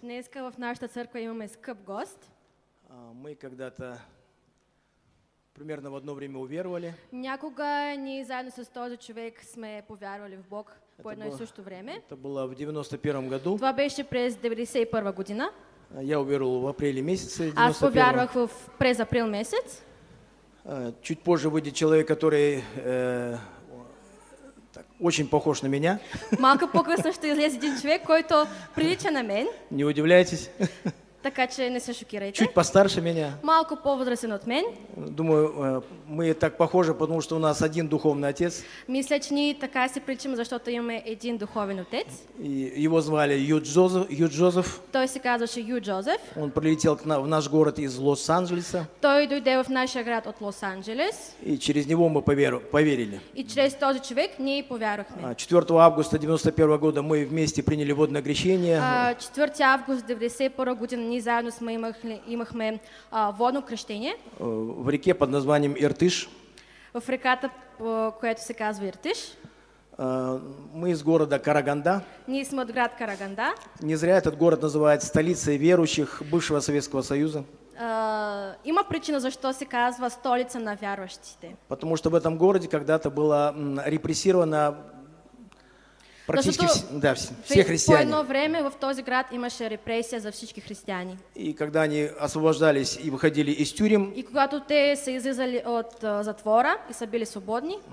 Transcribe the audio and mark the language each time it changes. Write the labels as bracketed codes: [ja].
[bg] Днеска в нашата църква имаме скъп гост. [ru] Мы когда-то примерно в одно время уверовали. [bg] Някога ние заедно с този човек сме повярвали в Бог по едно и също време. [ru] Это было в 91 году. [bg] Това беше през 91 година. [ru] Я уверовал в апреле месяце. [bg] Аз повярвах в през април месец. [ru] Чуть позже выйдет человек, который очень похож на меня. [bg] Малко по-късно ще излезе един човек, който прилича на мен. [ru] Не удивляйтесь. [bg] Така че не се шокирайте. [ru] Чуть постарше меня. [bg] Малко по-възрастен от мен. [ru] Думаю, мы так похожи, потому что у нас один духовный отец. [bg] Мисля, че ние така се приличим, защото имаме един духовен отец. [ru] И его звали Ю Джозеф. [bg] Той се казваше Ю Джозеф. [ru] Он прилетел в наш город из Лос-Анджелеса. [bg] Той дойде в нашия град от Лос-Анджелес. [ru] И через него мы поверили. [bg] И через този човек ние повярвахме. [ru] 4 августа 91 года мы вместе приняли водное крещение. [bg] 4 августа 91 година ние заедно сме имахме водно кръщение [ru] в реке под названием Иртыш. [bg] В реката, която се казва Иртыш. [ru] Мы из города Караганда. [bg] Ние сме от град Караганда. [ru] Не зря этот город называют столицей верующих бывшего Советского Союза. [bg] Има причина, защо се казва столица на вярващите. [ru] Потому что в этом городе когда-то было репрессировано практически все христиане. [bg] По едно време в този град имаше репресия за всички християни. [ru] И когда они освобождались и выходили из тюрем, [bg] и когато те са излизали от затвора и са били свободни,